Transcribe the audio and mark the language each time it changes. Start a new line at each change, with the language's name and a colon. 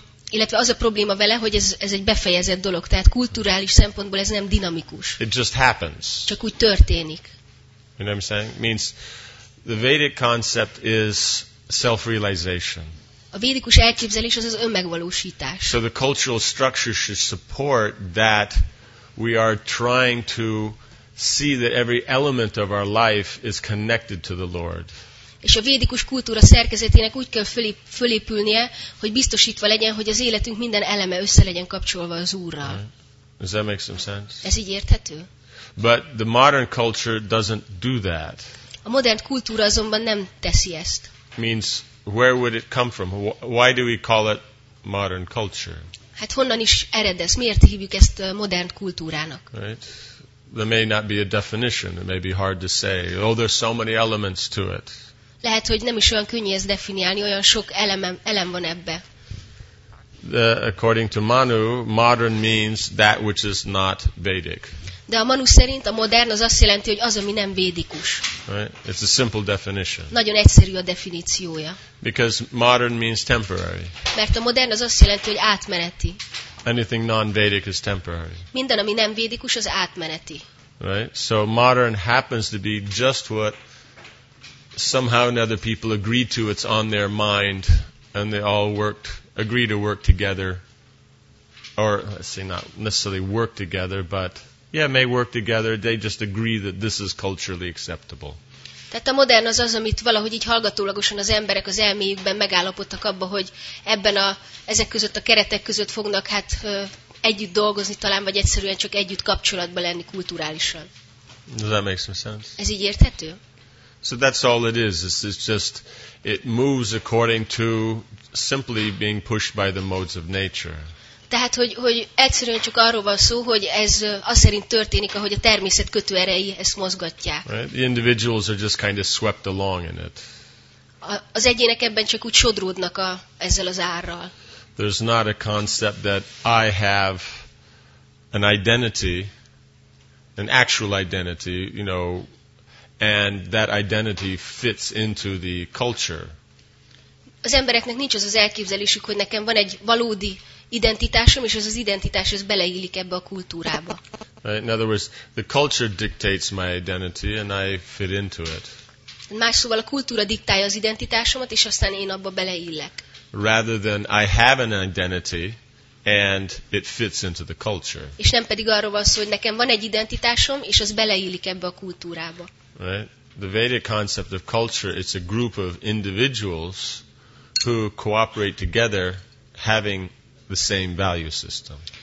Hungarian: Illetve az a probléma vele, hogy ez egy befejezett dolog. Tehát kulturális szempontból ez nem dinamikus.
English: It just happens.
Hungarian: Csak úgy történik.
English: You know what I'm saying? Means the Vedic concept is self-realization.
Hungarian: A védikus elképzelés az önmegvalósítás.
English: So the cultural structure should support that we are trying to see that every element of our life is connected to the Lord.
Hungarian: És a védikus kultúra szerkezetének úgy kell fölépülnie, hogy biztosítva legyen, hogy az életünk minden eleme össze legyen kapcsolva az Úrral.
English: Does that make some sense?
Hungarian: Ez így érthető?
English: But the modern culture doesn't do that.
Hungarian: A modern kultúra azonban nem teszi ezt.
English: Means where would it come from? Why do we call it modern culture?
Hungarian: Hát honnan is ered ez? Miért hívjuk ezt modern kultúrának?
English: Right? There may not be a definition. It may be hard to say. Oh, there's so many elements to it.
Hungarian: Lehet, hogy nem is olyan könnyű ezt definiálni, olyan sok elem van ebbe.
English: According to Manu, modern means that which is not Vedic.
Hungarian: De a Manu szerint a modern az azt jelenti, hogy az, ami nem védikus.
English: Right? It's a simple definition.
Hungarian: Nagyon egyszerű a definíciója.
English: Because modern means temporary.
Hungarian: Mert a modern az azt jelenti, hogy átmeneti.
English: Anything non-Vedic is temporary.
Hungarian: Minden, ami nem védikus, az átmeneti.
English: Right? So modern happens to be just what somehow another people agree to, it's on their mind, and they all agree to work together, or let's say not necessarily work together, but yeah, may work together. They just agree that this is culturally acceptable.
Hungarian: Tehát a modern az, amit valahogy így hallgatólagosan az emberek az elméjükben megállapodtak abba, hogy ebben ezek között a keretek között fognak hát együtt dolgozni talán, vagy egyszerűen csak együtt kapcsolatban lenni kulturálisan.
English: Does that make some sense?
Hungarian: Ez így érthető?
English: So that's all it is. It's just it moves according to simply being pushed by the modes of nature.
Hungarian: Tehát hogy egyszerűen csak arról van szó, hogy ez az szerint történik, ahogy a természet kötőerei ezt mozgatják.
English: Right? The individuals are just kind of swept along in it.
Hungarian: Az egyének ebben csak úgy sodródnak ezzel az árral.
English: There's not a concept that I have an identity, an actual identity, you know, and that identity fits into the culture.
Hungarian: Az embereknek nincs az elképzelésük, hogy nekem van egy valódi identitásom, és az identitás ez beleillik ebbe a kultúrába.
English: Right? In other words, the culture dictates my identity and I fit into it.
Hungarian: Más szóval a kultúra diktálja az identitásomat, és aztán én abba beleillek.
English: Rather than I have an identity and it fits into the culture.
Hungarian: És nem pedig arról van szó, hogy nekem van egy identitásom, és az beleillik ebbe a kultúrába.
English: Right? The Vedic concept of culture, it's a group of individuals who cooperate together having the same value system.